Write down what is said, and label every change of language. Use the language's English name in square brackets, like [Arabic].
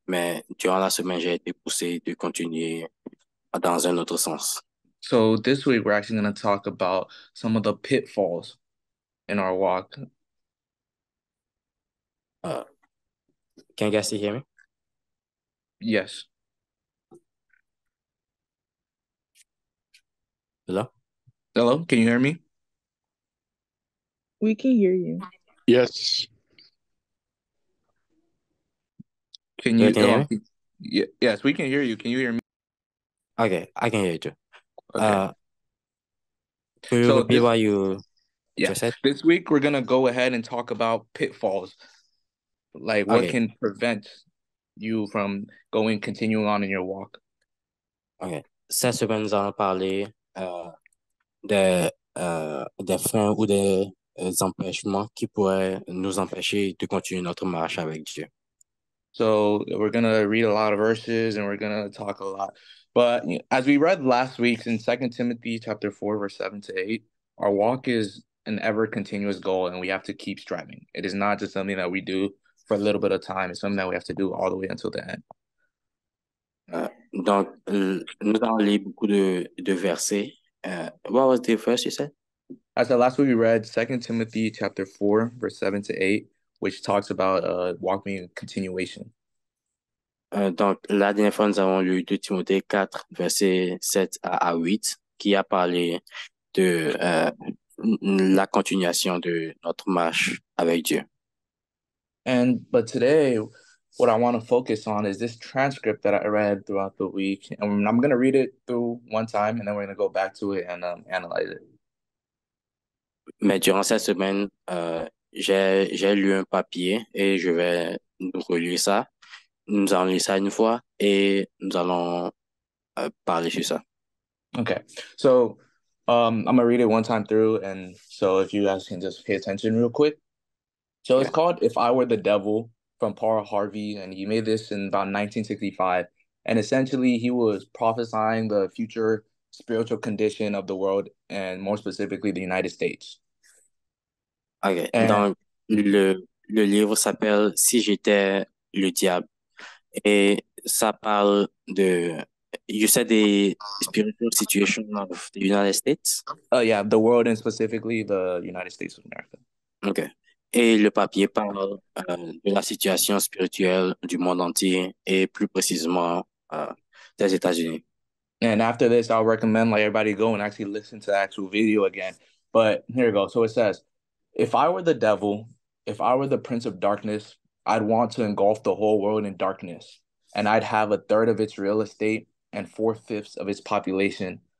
[French] Mais durant la semaine, j'ai été poussé de continuer dans un autre sens. [English] So this week, we're actually going to talk about some of the pitfalls in our walk. Can you guys hear me? Yes. Hello? Hello, can you hear me? We can hear you. Yes. Can you hear me? Yes, we can hear you. Can you hear me? Okay, I can hear you. Okay. Can you repeat what you just said? This week we're gonna go ahead and talk about pitfalls. Like what can prevent you from continuing on in your walk. Okay. [French] Cette semaine nous allons parler des freins ou des empêchements qui pourraient nous empêcher de continuer notre marche avec Dieu. [English] So we're gonna read a lot of verses and we're gonna talk a lot. But as we read last week in 2 Timothy chapter 4, verse 7 to 8, our walk is an ever-continuous goal and we have to keep striving. It is not just something that we do for a little bit of time. It's something that we have to do all the way until the end. [French] Donc, nous avons lu beaucoup de versets. [English] What was the first you said? I said last week we read 2 Timothy chapter 4, verse 7 to 8, which talks about walk being a continuation. [French] Donc, la dernière fois, nous avons lu 2 Timothée 4, versets 7 à 8, qui a parlé de la continuation de notre marche avec Dieu. [English] But today, what I want to focus on is this transcript that I read throughout the week. And I'm going to read it through one time, and then we're going to go back to it and analyze it. [French] Mais durant cette semaine, j'ai lu un papier et je vais nous relire ça. Nous allons lire ça une fois et nous allons parler sur ça. [English] Okay. So, I'm going to read it one time through. And so, if you guys can just pay attention real quick. So, it's called If I Were the Devil from Paul Harvey. And he made this in about 1965. And essentially, he was prophesying the future spiritual condition of the world and more specifically, the United States. [French] Okay. And, donc, le livre s'appelle Si j'étais le diable. Et ça parle de [English] You said the spiritual situation of the United States? Oh, yeah, the world and specifically the United States of America. Okay. [French] Et le papier parle de la situation spirituelle du monde entier et plus précisément des États-Unis. [English] And after this, I'll recommend like everybody go and actually listen to the actual video again. But here we go. So it says, if I were the devil, if I were the prince of darkness, I'd want to engulf the whole world in darkness. And I'd have a third of its real estate and four-fifths of its population.